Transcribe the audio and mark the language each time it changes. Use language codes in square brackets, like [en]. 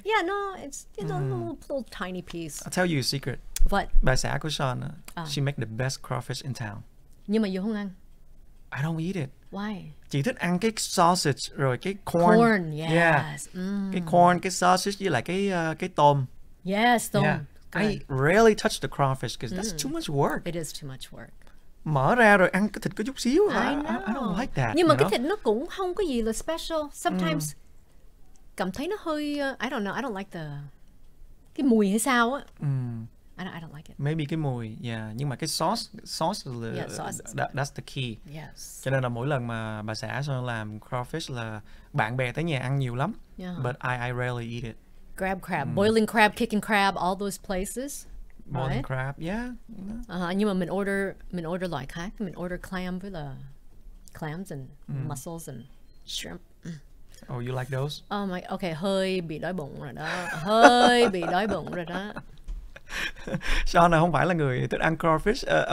[en] Yeah, no, it's a little tiny piece. I'll tell you a secret. What? [vi] Bà xã của [en] Sean, she make the best crawfish in town. [vi] Nhưng mà vô không ăn. [en] I don't eat it. Why? [vi] Chỉ thích ăn cái sausage rồi cái corn. [en] Corn, yes. Yeah. [vi] Cái corn, cái sausage với lại cái tôm. [en] Yes, [vi] tôm. [en] Yeah. Good. I rarely touch the crawfish because that's too much work. It is too much work. [vi] Mở ra rồi ăn cái thịt có chút xíu. [en] I don't like that. [vi] Nhưng mà cái thịt nó cũng không có gì là special. [en] Sometimes [vi] cảm thấy nó hơi, [en] I don't know, I don't like the, [vi] cái mùi hay sao á. [en] I don't like it. [vi] Maybe cái mùi, yeah. Nhưng mà cái sauce là, [en] that's the key. Yes. [vi] Cho nên là mỗi lần mà bà xã làm crawfish là bạn bè tới nhà ăn nhiều lắm. [en] Yeah. But I rarely eat it. Grab crab, boiling crab, kicking crab, all those places. Boiling right? Crab, yeah. [vi] Nhưng mà mình order loại khác, mình order clam với là [en] clams and mussels and shrimp. Oh, you like those? [vi] Oh my, okay, hơi bị đói bụng rồi đó. Hơi bị đói bụng rồi đó. Sean không phải là người thích ăn crawfish.